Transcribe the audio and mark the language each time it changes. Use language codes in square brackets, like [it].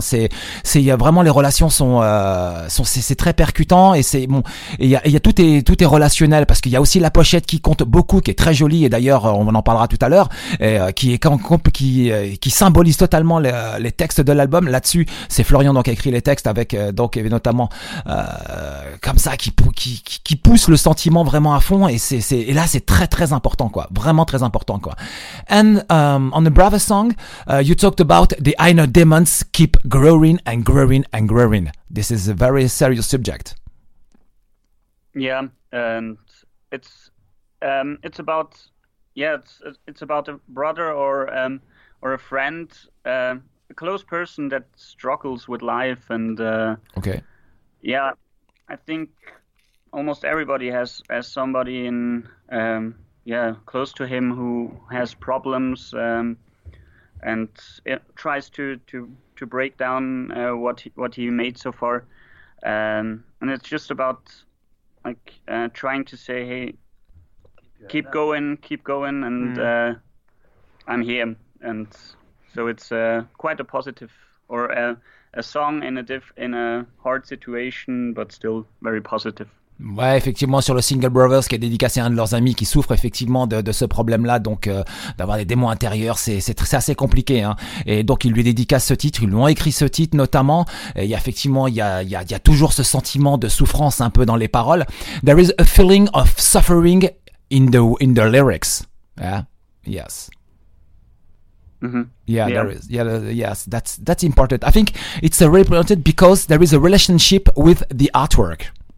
[fr] C'est vraiment les relations sont très percutant, et c'est bon, tout est relationnel, parce qu'il y a aussi la pochette qui compte beaucoup, qui est très jolie, et d'ailleurs on en parlera tout à l'heure, et qui symbolise totalement les textes de l'album. Là-dessus, c'est Florian donc qui a écrit les textes avec donc notamment comme ça qui pousse le sentiment vraiment à fond, et là c'est très très important, quoi, vraiment très important, quoi. [en] And on the Brother song, you talked about the inner demons keep growing and growing and growing. This is a very serious subject. Yeah, and it's about It's about a brother or a friend, a close person that struggles with life, and okay. Yeah, I think almost everybody has somebody in close to him who has problems and it tries to break down what he made so far, and it's just about like trying to say, hey, keep going, and I'm here. And so it's quite a positive, or a song in a hard situation, but still very positive. [fr] Ouais, effectivement, sur le single Brothers, qui est dédicacé à un de leurs amis qui souffre effectivement de ce problème-là, donc d'avoir des démons intérieurs, c'est assez compliqué, hein. Et donc ils lui dédicacent ce titre, ils lui ont écrit ce titre notamment. Et effectivement, il y a toujours ce sentiment de souffrance un peu dans les paroles. [en] There is a feeling of suffering in the lyrics. Yeah, yes. Mm-hmm. Yeah, there is. Yeah, yes, that's important. I think it's really important because there is a relationship with the artwork.